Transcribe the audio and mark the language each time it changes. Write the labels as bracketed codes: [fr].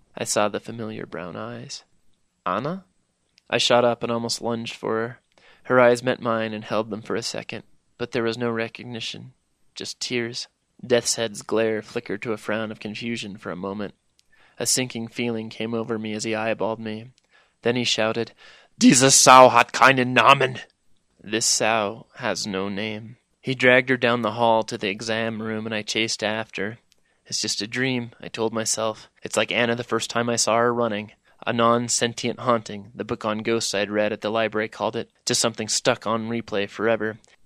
[en] I saw the familiar brown eyes. "Anna?" I shot up and almost lunged for her. Her eyes met mine and held them for a second, but there was no recognition, just tears. Death's Head's glare flickered to a frown of confusion for a moment. A sinking feeling came over me as he eyeballed me. Then he shouted, [de] "Diese Sau hat keinen Namen!" [en] This sow has no name. He dragged her down the hall to the exam room and I chased after. "It's just a dream," I told myself. "It's like Anna the first time I saw her running. A non-sentient haunting," the book on ghosts I'd read at the library called it, "to something stuck on replay forever."